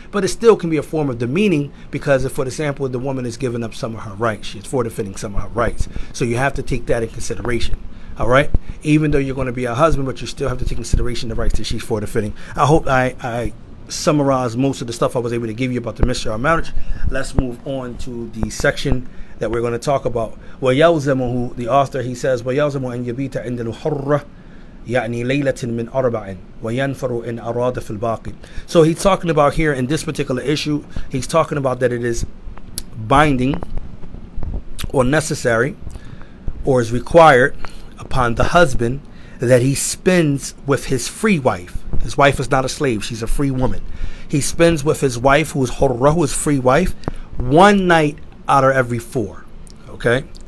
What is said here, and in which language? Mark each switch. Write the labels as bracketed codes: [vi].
[en] But it still can be a form of demeaning because if, for example, the woman is giving up some of her rights, she's forfeiting some of her rights. So you have to take that in consideration. All right? Even though you're going to be a husband, but you still have to take consideration the rights that she's forfeiting. I hope I summarized most of the stuff I was able to give you about the MIsyar marriage. Let's move on to the section that we're going to talk about. [ar] وَيَلْزَمُهُ, [en] the author, he says, [ar] وَيَلْزَمُ أَنْ يَبِيتَ عِنْدَ الْحُرَّةِ يعني ليلة من أربع وينفر إن أراد في الباقي. [en] So he's talking about here in this particular issue, he's talking about that it is binding or necessary or is required upon the husband that he spends with his free wife. His wife is not a slave, she's a free woman. He spends with his wife, who is Hurra, who is free wife, one night out of every four. Okay?